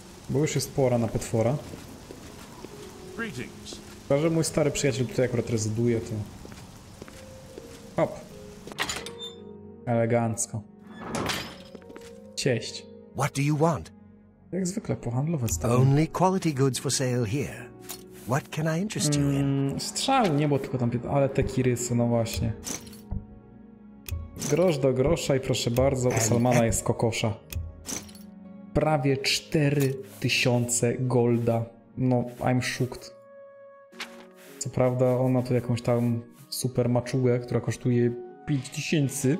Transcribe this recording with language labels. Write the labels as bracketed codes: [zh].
[pl] Bo już jest pora na potwora. Chyba, że mój stary przyjaciel tutaj akurat rezyduje, to... Hop. Elegancko. Cześć. [en] What do you want? [pl] Jak zwykle pohandlować z tobą. [en] Only quality goods for sale here. What can I interest you in? [pl] Strzał, nie było tylko tam, ale te kirysy, no właśnie. Grosz do grosza i proszę bardzo, u Salmana jest kokosza. Prawie 4000 golda. [en] No, I'm shocked. [pl] Co prawda ona tu jakąś tam super maczugę, która kosztuje 5000.